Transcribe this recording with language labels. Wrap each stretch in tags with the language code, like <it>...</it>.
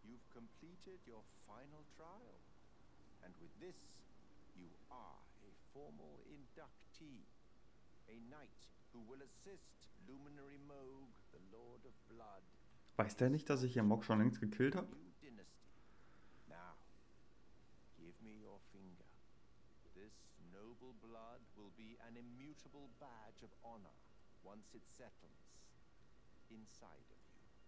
<en>Completed your final trial, and with this, you are a formal inductee, a knight who will assist Luminary Moog, the Lord of Blood.</en> <de>Weiß der nicht, dass ich hier Mock schon längst gekillt habe?</de> <en>Now, give me your finger. This noble blood will be an immutable badge of honor once it settles inside of you.</en>